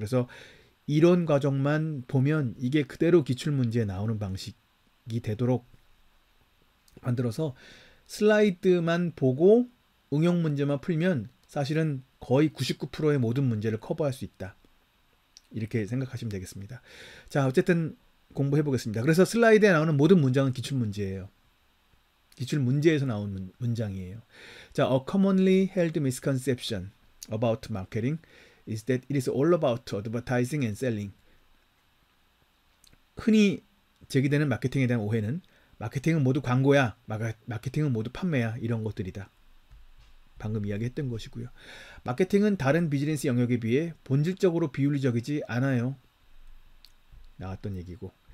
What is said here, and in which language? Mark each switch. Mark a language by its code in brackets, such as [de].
[ko] 그래서 이론 과정만 보면 이게 그대로 기출문제에 나오는 방식이 되도록 만들어서 슬라이드만 보고 응용 문제만 풀면 사실은 거의 99%의 모든 문제를 커버할 수 있다. 이렇게 생각하시면 되겠습니다. 자, 어쨌든 공부해 보겠습니다. 그래서 슬라이드에 나오는 모든 문장은 기출 문제예요. 기출 문제에서 나온 문장이에요. [en] 자, a commonly held misconception about marketing is that it is all about advertising and selling. [ko] 흔히 제기되는 마케팅에 대한 오해는 마케팅은 모두 광고야, 마케팅은 모두 판매야, 이런 것들이다. 방금 이야기했던 것이고요. 마케팅은 다른 비즈니스 영역에 비해 본질적으로 비윤리적이지 않아요. 나왔던 얘기고.